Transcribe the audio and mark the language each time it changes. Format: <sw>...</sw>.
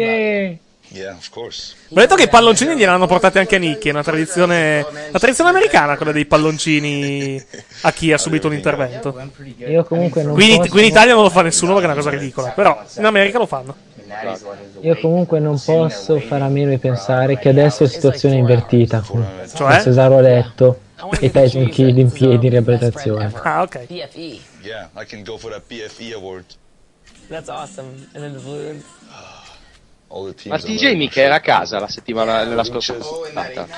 <it>Ma ho detto che i palloncini gliel'hanno portati anche a Nikki. È una tradizione, la tradizione americana, quella dei palloncini a chi ha subito un intervento. Io comunque non qui, qui in Italia non lo fa nessuno perché è una cosa ridicola, però in America lo fanno. Io comunque non posso fare a meno di pensare che adesso la situazione è invertita. Cioè? Cesaro ha letto e Tyson Kidd in piedi in riabilitazione. Ah, ok.</it> <en>Yeah, I can go for that PFE award. That's awesome. And then the balloons.</en> <it>Ma TJ mica era a casa la settimana la scorsa settimana.</it>